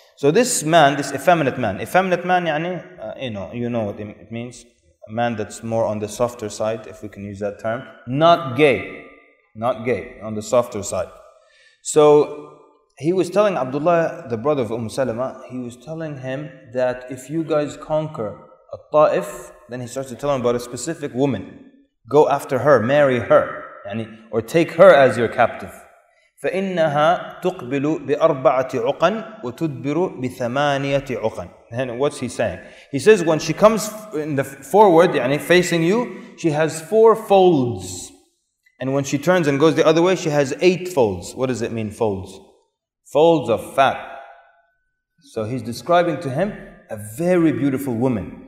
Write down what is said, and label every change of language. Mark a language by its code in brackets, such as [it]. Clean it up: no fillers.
[en] So this man, this effeminate man, you know what it means, a man that's more on the softer side, if we can use that term, not gay, on the softer side. So he was telling Abdullah, the brother of Umm Salama, he was telling him that if you guys conquer a Ta'if, then he starts to tell him about a specific woman, go after her, marry her, or take her as your captive. [ar] فإنها تقبل بأربعة عقن وتدبر بثمانية عقن. [en] And what's he saying? He says when she comes in the forward, يعني facing you, she has four folds. And when she turns and goes the other way, she has eight folds. What does it mean, folds? Folds of fat. So he's describing to him a very beautiful woman.